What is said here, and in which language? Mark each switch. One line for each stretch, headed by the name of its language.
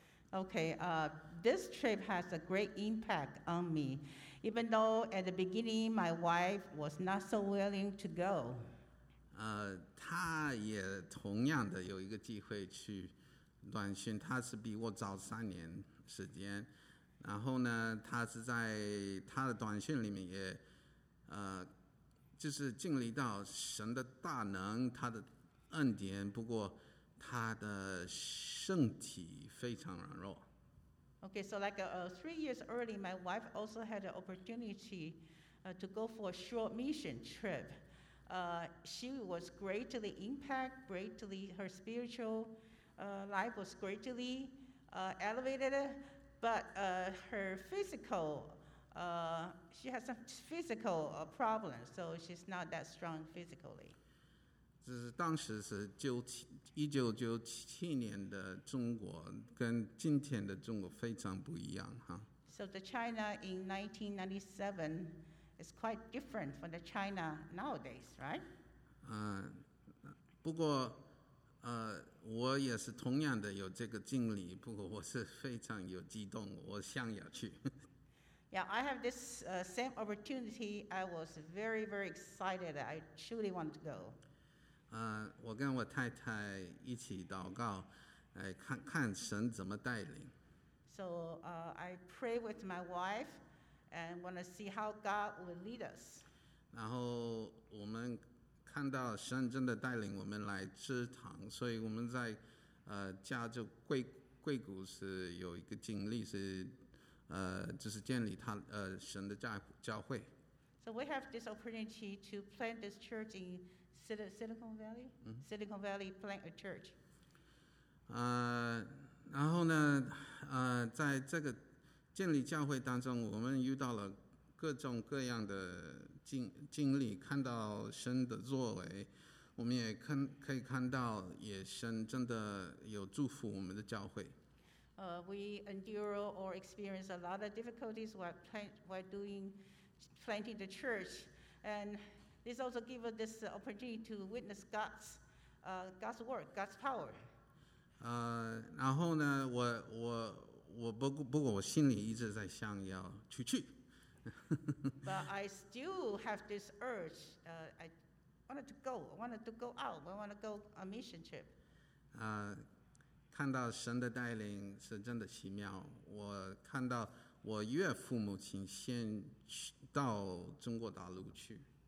English: Okay, this trip has a great impact on me, even though at the beginning my wife was not so willing to go.
Chinese: 她也同样的有一个机会去短宣，她是比我早三年时间，然后呢，她是在她的短宣里面也就是经历到神的大能，他的恩典，不过他的身体非常软弱。
English: Okay, so like3 years early, my wife also had an opportunity to go for a short mission trip. She was greatly impacted, greatly, her spiritual life was greatly elevated, but her physical she has some physical problems, so she's not that strong physically.
Chinese: 这是当时是1997年的中国，跟今天的中国非常不一样哈。
English: So the China in 1997 is quite different from the China nowadays, right?
Chinese: 不过我也是同样的有这个经历，不过我是非常有激动，我想要去。
English: Yeah, I have this same opportunity. I was very, very excited. I truly want to go.
Chinese: 我跟我太太一起祷告，来看看神怎么带领。
English: So, I pray with my wife and want to see how God will lead us.
Chinese: 然后我们看到神真的带领我们来支堂，所以我们在加州硅谷是有一个经历是。就是建立他神的教会。
English: So we have this opportunity to plant this church in Silicon Valley.、 Mm-hmm. Silicon Valley plant a church.
Chinese: 然后呢，在这个建立教会当中，我们遇到了各种各样的经历，看到神的作为，我们也可以看到也神真的有祝福我们的教会。
English: We endure or experience a lot of difficulties while planting the church, and this also gives us this opportunity to witness God's work, God's power.
Chinese: 然后呢，我不过我心里一直在想要去。
English: But I still have this urge. I wanted to go. I wanted to go out. I want to go on a mission trip.
Chinese: 看到神的带领是真的奇妙。我看到我岳父母亲先到中国大陆去。